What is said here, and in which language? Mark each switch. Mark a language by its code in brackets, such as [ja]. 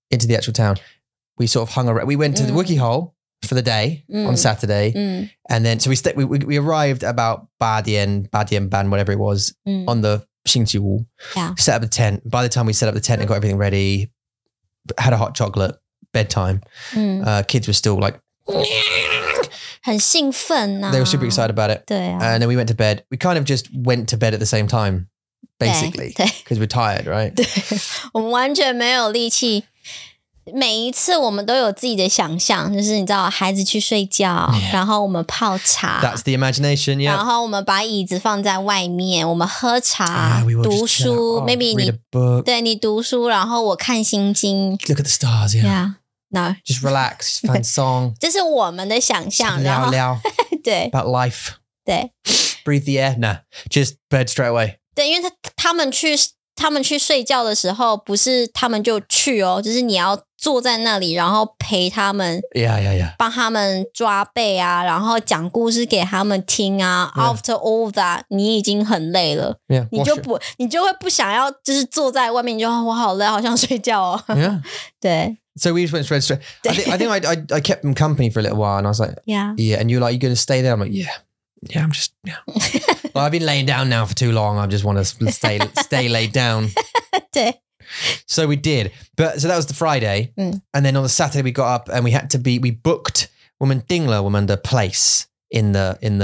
[en] into the actual town we sort of hung around we went to the Wookie Hole for the day on Saturday and then so we arrived about Badian Ban whatever it was on the Xingqiu Wu set up the tent by the time we set up the tent and got everything ready had a hot chocolate bedtime kids were still like [zh] 很兴奋啊 [en] they were super excited about it [zh] 对啊 [en] and then we went to bed we kind of just went to bed at the same timeBasically, because we're tired, right? [zh] 我们完全没有力气。每一次我们都有自己的想象，就是你知道，孩子去睡觉，然后我们泡茶。 [en] That's the imagination, yeah. [zh] 然后我们把椅子放在外面，我们喝茶、读书。 [en] Oh, maybe read a book. [zh] 对你读书，然后我看星星。 [en] Look at the stars, yeah. Yeah, no. Just relax, fun song. [zh] 这是我们的想象，然后聊对 [en] about life. [zh] 对 [en] breathe the air, nah, just bed straight away. [zh] 对，因为他们去睡觉的时候，不是他们就去哦，就是你要坐在那里，然后陪他们 [en] ，Yeah Yeah Yeah， [zh] 帮他们抓背啊，然后讲故事给他们听啊。 [en] Yeah. After all that， [zh] 你已经很累了， [en] yeah, [zh] 你就会不想要，就是坐在外面，就我好累，好想睡觉哦。 [en] Yeah. [zh] 对。 [en] So we just went straight. I think I kept them company for a little while, and I was like, Yeah, yeah. And you're like, you're going to stay there? I'm like, Yeah. Yeah, I'm just, yeah. Well, I've been laying down now for too long. I just want to stay laid down. So we did. But so that was the Friday. And then on the Saturday, we got up and we booked [zh] 我们订了我们的 [en] place in the